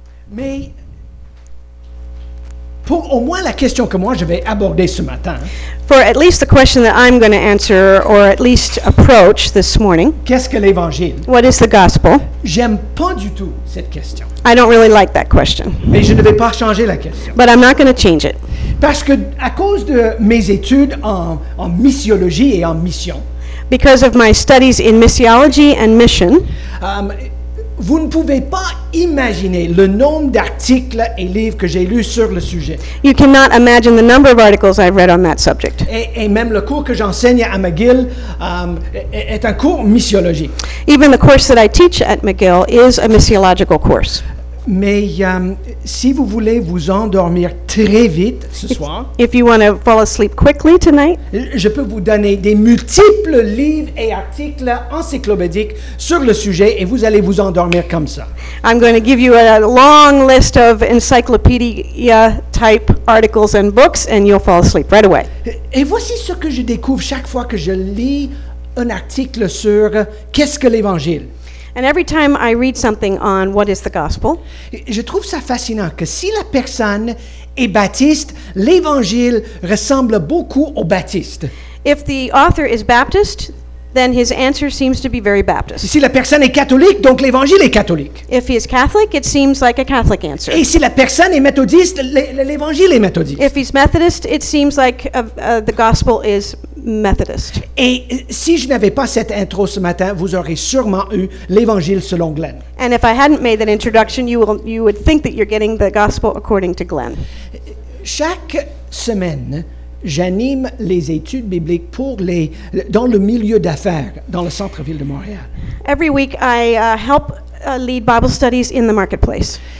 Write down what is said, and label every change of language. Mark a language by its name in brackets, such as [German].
[French] mais pour au moins la question que moi je vais aborder ce matin. [English] For at least the question that I'm going to answer or at least approach this morning. [French] Qu'est-ce que l'évangile? [English] What is the gospel? [French] J'aime pas du tout cette question. [English] I don't really like that question. [French] Mais je ne vais pas changer la question. [English] But I'm not going to change it. [French] Parce que à cause de mes études en missiologie et en mission. [English] Because of my studies in missiology and mission. [French] Vous ne pouvez pas imaginer le nombre d'articles et livres que j'ai lus sur le sujet. [English] You cannot imagine the number of articles I've read on that subject. [French] Et même le cours que j'enseigne à McGill est un cours missiologique. [English] Even the course that I teach at McGill is a missiological course. [French] Mais si vous voulez vous endormir très vite ce soir, [English] if you want to fall asleep quickly tonight, [French] je peux vous donner des multiples livres et articles encyclopédiques sur le sujet et vous allez vous endormir comme ça. [English] I'm going to give you a long list of encyclopedia-type articles and books and you'll fall asleep right away. [French] Et voici ce que je découvre chaque fois que je lis un article sur qu'est-ce que l'Évangile. [English] And every time I read something on what is the gospel, [French] je trouve ça fascinant que si la personne est baptiste, l'évangile ressemble beaucoup au baptiste. [English] If the author is Baptist, then his answer seems to be very Baptist. [French] Si la personne est catholique, donc l'évangile est catholique. [English] If he is Catholic, it seems like a Catholic answer. [French] Et si la personne est méthodiste, l'évangile est méthodiste. [English] If he's Methodist, it seems like the gospel is Methodist. [French] Et si je n'avais pas cette intro ce matin, vous auriez sûrement eu l'évangile selon Glenn. [English] And if I hadn't made that introduction, you would think that you're getting the gospel according to Glenn. [French] Chaque semaine, j'anime les études bibliques pour les dans le milieu d'affaires dans le centre-ville de Montréal. [English] Every week I help lead Bible studies in the marketplace.